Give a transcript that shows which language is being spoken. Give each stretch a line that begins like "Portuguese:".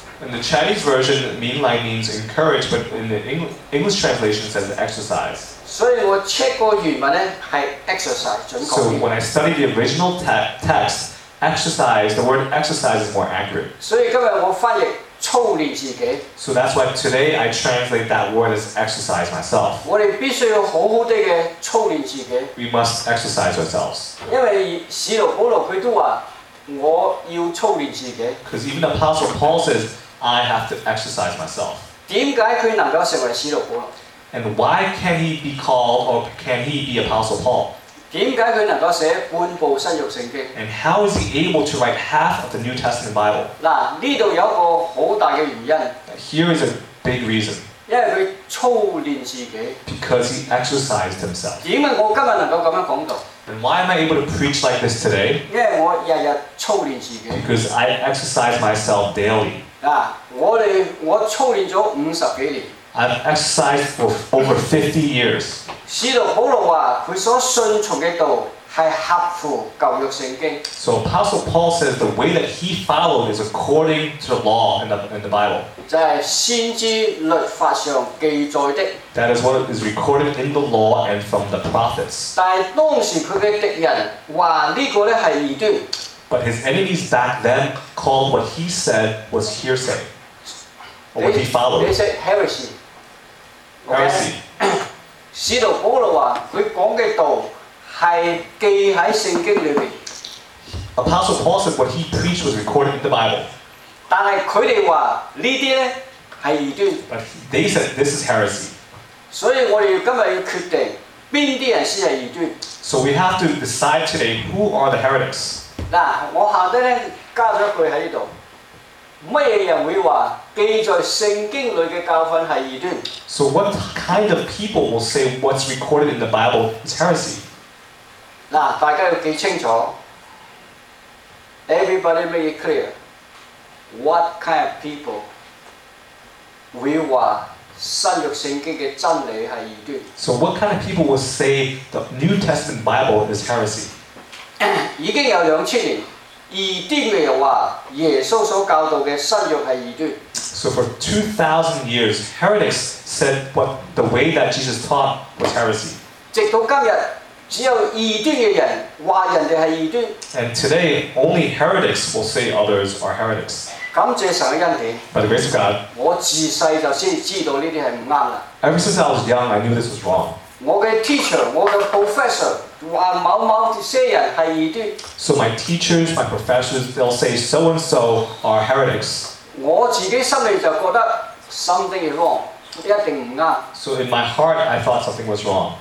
English: In the Chinese version, 勉勵 means encourage, but in the English translation, it says exercise.
Cantonese: 所以我 check 過原文咧係 exercise 準確。
English: So when I study the original text, exercise, the word exercise is more accurate.
Cantonese: 所以今日我翻譯。操練自己。
English: So that's why today I translate that word as exercise myself.
Cantonese: 我哋必須要好好地嘅操練自己。
English: We must exercise ourselves.
Cantonese: 因為使徒保羅佢都話我要操練自己。
English: Because even the Apostle Paul says I have to exercise myself.
Cantonese: 點解佢能夠成為使徒保羅
English: ？And why can he be called or can he be Apostle Paul？
Cantonese: 點解佢能夠寫半部新約聖經
English: ？And how is he able to write half of the New Testament Bible？
Cantonese: 嗱，呢度有個好大嘅原因。
English: Here is a big reason。
Cantonese: 因為佢操練自己。
English: Because he exercised himself。
Cantonese: 點解我今日能夠咁樣講到
English: ？And why am I able to preach like this today？
Cantonese: 因為我日日操練自己。
English: Because I exercise myself daily。
Cantonese: 嗱，我操練咗五十幾年。
English: I've exercised for over 50 years.
Cantonese: 使徒保罗话佢所顺从嘅道系合乎旧约圣经。
English: So Apostle Paul says the way that he followed is according to the law in the Bible.
Cantonese: 就系先知律法上记载的。
English: That is what is recorded in the law and from the prophets.
Cantonese: 但系当时佢嘅敌人话呢个咧系异端。
English: But his enemies back then called what he said was hearsay. Or what he followed. They said heresy. Heresy.
Cantonese: 使徒保罗话佢讲嘅道系记喺圣经里边。
English: Apostle Paul said what he preached was recorded in the Bible.
Cantonese: 但系佢哋话呢啲咧系异端。
English: But they said this is heresy.
Cantonese: 所以我哋今日要决定边啲人先系异端。
English: So we have to decide today who are the heretics.
Cantonese: 嗱，我下低咧加咗一句喺呢度。乜人会话记在圣经里嘅教训系异端
English: ？So what kind of people will say what's recorded in the Bible is heresy？
Cantonese: 嗱，大家要记清楚。
English: Everybody make it clear. What kind of people will
Cantonese: 话新约圣经嘅真理系异端
English: ？So what kind of people will say the New Testament Bible is heresy？
Cantonese: 已经有两千年。異端嘅人話耶穌所教導嘅新約係異端。
English: So for 2,000 years, heretics said what the way that Jesus taught was heresy.
Cantonese: 直到今日，只有异端嘅人话人哋系异端。
English: And today, only heretics will say others are heretics.
Cantonese: 感谢神的恩典,
English: By the grace of God,
Cantonese: 我自小就知道呢啲系唔啱啦。
English: Ever since I was young, I knew this was wrong.
Cantonese: 我嘅 teacher, 我嘅 professor 话某某这些人系异端。
English: So my teachers, my professors, they'll say so and so are heretics.
Cantonese: 我自己心里就觉得
English: something is wrong. So in my heart, I thought something was wrong.